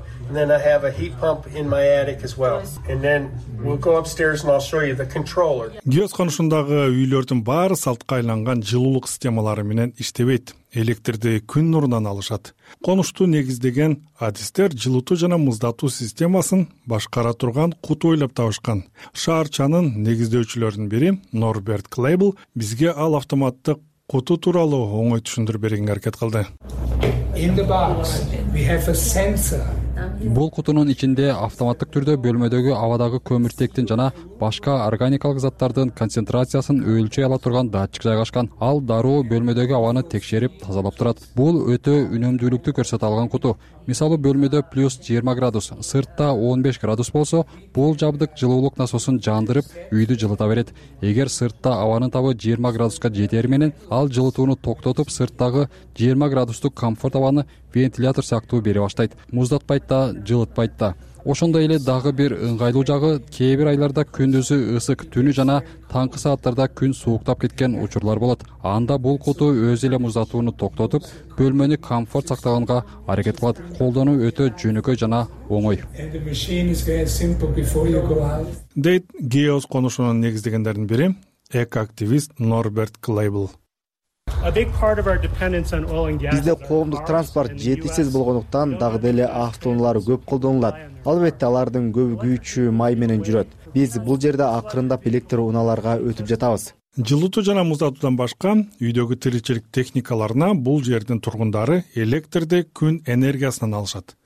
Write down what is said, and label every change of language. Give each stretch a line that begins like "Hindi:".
English: And then I have a heat pump in my attic as well. And then we'll go upstairs and I'll show you the controller.
Kyrgyz: Гиос конушундагы үйлөрдүн баары салтка айланган жылуулук системалары менен иштебейт. Электрди күн нурунан алышат. Конушту негиздеген адистер жылытуу жана муздатуу системасын башкара турган кут ойлоп табышкан. Шаарчанын негиздөөчүлөрүнүн бири Норберт Клейбл бизге ал автоматтык куту тууралуу оңой түшүндүрүп бергенге аракет кылды.
English: In the box we have a sensor.
Kyrgyz: Бул кутунун ичинде автоматтык түрдө бөлмөдөгү абадагы көмүртектин жана башка органикалык заттардын концентрациясын өлчөй ала турган датчик жайгашкан. Ал дароо бөлмөдөгү абаны текшерип, тазалап турат. Бул өтө үнөмдүүлүктү көрсөтө алган куту. Мисалы, бөлмөдө плюс 20 градус, сыртта 15 градус болсо, бул жабдык жылуулук насосун жандырып, үйдү жылыта берет. Эгер сыртта абанын табы 20 градуска жетер менен, ал жылытууну токтотуп, сырттагы 20 градустук комфорт абаны вентилятор сыяктуу бере баштайт. Муздатпайт да, жылытпайт да. Ошондой эле дагы бир ыңгайлуу жагы, кээ бир айларда күндүзү ысык, түнү жана таңкы сааттарда күн сууктап кеткен учурлар болот. Анда бул куту өзү эле муздатууну токтотуп, бөлмөнү комфорт сактаганга аракет кылат. Колдонуу өтө жөнөкөй жана оңой. Дейт Геос конушунун негиздегендердин бири эко-активист Норберт Клейбл.
English: A big part of our dependence on oil and gas.
Kyrgyz: Бизде коомдук транспорт жетишсиз болгондуктан дагы деле автоунаалар көп колдонулат. Албетте, алардын көбү күйүүчү май менен жүрөт. Биз бул жерде акырындап электр унааларга өтүп жатабыз. Жылытуу жана муздатуудан башка үйдөгү тиричилик техникаларына бул жердин тургундары электрди күн энергиясынан алышат.